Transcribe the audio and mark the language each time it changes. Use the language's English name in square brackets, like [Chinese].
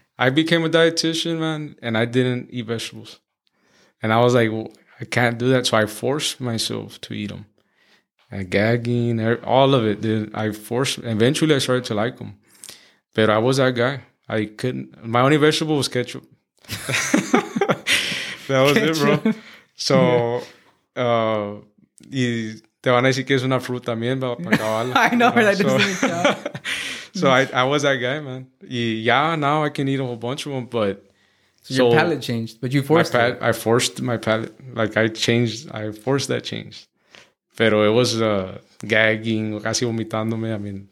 [English] I became a dietitian, man, and I didn't eat vegetables. And I was like, well, I can't do that. So I forced myself to eat them. And gagging, all of it, dude. Eventually I started to like them. But I was that guy. I couldn't, my only vegetable was ketchup. That was ketchup. It, bro. [Spanish] So, y te van a decir que es una fruta también, para acabarla. [English] I know, that doesn't make sense. So I was that guy, man. Now I can eat a whole bunch of them, but. So your palate changed, but you forced it. I forced my palate. Like I forced that change. Pero it was gagging, casi vomitándome. I mean,